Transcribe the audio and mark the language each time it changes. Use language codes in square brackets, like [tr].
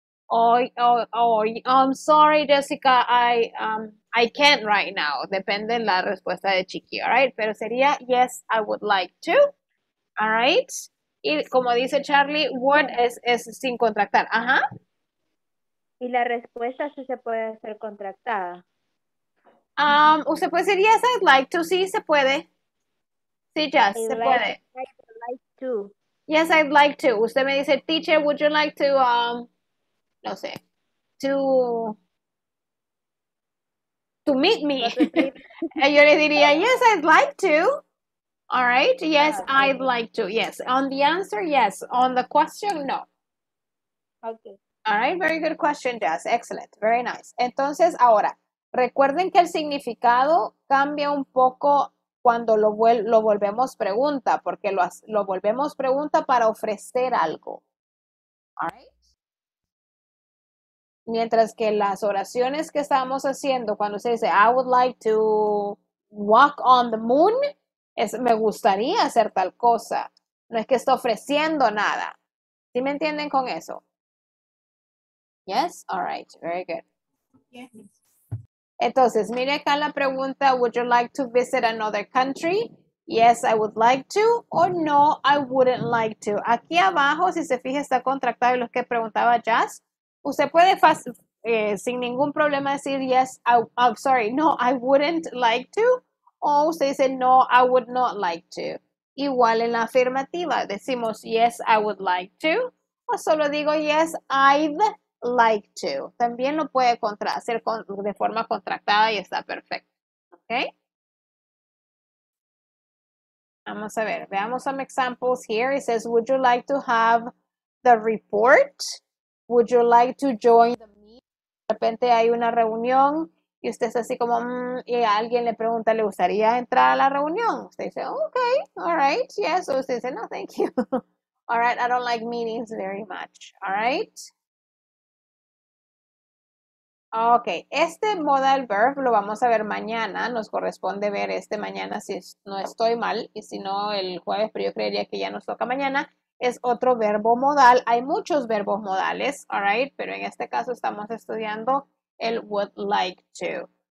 [en] Oh, I'm sorry, Jessica, I can't right now. [es] Depende de la respuesta de Chiqui, [en] all right? [es] Pero sería, [en] yes, I would like to, all right? [es] Y como dice Charlie, would es sin contractar, ajá. Y la respuesta sí se puede hacer contractada. Usted puede decir, [en] yes, I'd like to, [es] sí, se puede. Sí, just, se puede. [en] I'd like to. Yes, I'd like to. [es] Usted me dice, teacher, [en] would you like to, [es] no sé, to meet me? Y yo le diría, [en] yes, I'd like to. All right, yes, yeah, I'd like to. Yes, on the answer, yes. On the question, no. Okay. All right, very good question, Jess. Excellent, very nice. [es] Entonces, ahora, recuerden que el significado cambia un poco cuando lo volvemos pregunta, porque lo volvemos pregunta para ofrecer algo. [en] All right. [es] Mientras que las oraciones que estamos haciendo, cuando se dice, [en] I would like to walk on the moon, [es] me gustaría hacer tal cosa. No es que esté ofreciendo nada. ¿Sí me entienden con eso? Yes? All right. Very good. [en] Yes. [es] Entonces, mire acá la pregunta, [en] would you like to visit another country? Yes, I would like to. Or no, I wouldn't like to. [es] Aquí abajo, si se fija, está contractado y lo que preguntaba Jazz. Usted puede sin ningún problema decir, [en] yes, I'm sorry, no, I wouldn't like to. [es] O usted dice, [en] no, I would not like to. [es] Igual en la afirmativa, decimos, [en] yes, I would like to. [es] O solo digo, [en] yes, I'd like to. [es] También lo puede hacer de forma contractada y está perfecto. ¿Ok? Vamos a ver, veamos [en] some examples here. It says, would you like to have the report? Would you like to join the meeting? [es] De repente hay una reunión. Y usted es así como, y alguien le pregunta, ¿le gustaría entrar a la reunión? [en] Usted dice, okay, all right, yes. [es] O usted dice, [en] no, thank you. All right, I don't like meetings very much. All right. [es] Okay, este modal verb lo vamos a ver mañana. Nos corresponde ver este mañana si no estoy mal. Y si no, el jueves, pero yo creería que ya nos toca mañana. Es otro verbo modal. Hay muchos verbos modales, all right. Pero en este caso estamos estudiando el [en] would like to.